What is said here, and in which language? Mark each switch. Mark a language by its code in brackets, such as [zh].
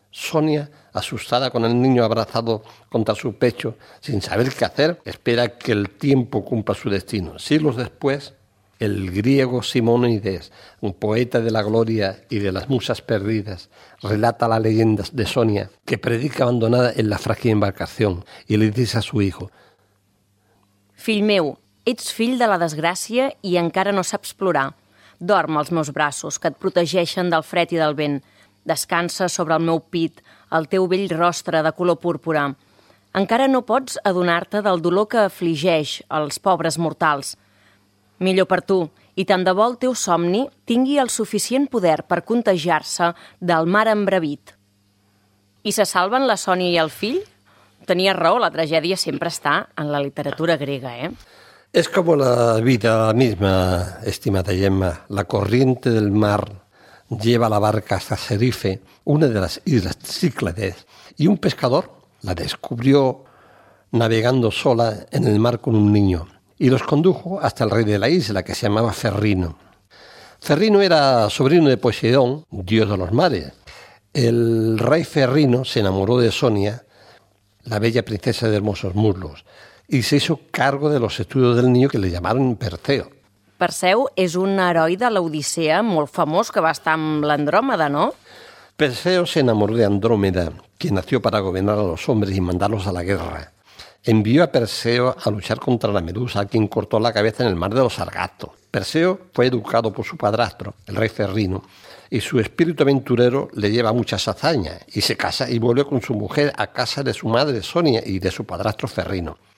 [es] Sonia, asustada con el niño abrazado contra su pecho, sin saber qué hacer, espera que el tiempo cumpla su destino. Siglos después, el griego Simónides, un poeta de la gloria y de las musas perdidas, relata la leyenda de Sonia, que predica abandonada en la frágil embarcación, y le dice a su hijo: [ca] «Fill meu, ets fill de la desgràcia i encara no saps plorar. Dorm als meus braços, que et protegeixen del fred i del vent. Descansa sobre el meu pit, el teu vell rostre de color púrpura. Encara no pots adonar-te del dolor que afligeix els pobres mortals. Millor per tu, i tant de bo el teu somni tingui el suficient poder per contagiar-se del mar embravit». I se salven la Sonia i el fill? Tenia raó, la tragèdia sempre està en la literatura grega, eh? És com la vida misma, estimada Gemma. [es] La corriente del mar lleva la barca hasta Serife, una de las islas Cíclades, y un pescador la descubrió navegando sola en el mar con un niño y los condujo hasta el rey de la isla, que se llamaba Ferrino. Ferrino era sobrino de Poseidón, dios de los mares. El rey Ferrino se enamoró de Sonia, la bella princesa de hermosos muslos, y se hizo cargo de los estudios del niño, que le llamaron Perseo. [ca] Perseu és un heroi de l'Odissea molt famós, que va estar amb l'Andròmeda, no? [es] Perseo se enamoró de Andrómeda, que nació para gobernar a los hombres y mandarlos a la guerra. Envió a Perseo a luchar contra la Medusa, quien cortó la cabeza en el mar de los Sargazos. Perseo fue educado por su padrastro, el rey Cerrino, y su espíritu aventurero le lleva muchas hazañas, y se casa y vuelve con su mujer a casa de su madre Sonia y de su padrastro Cerrino.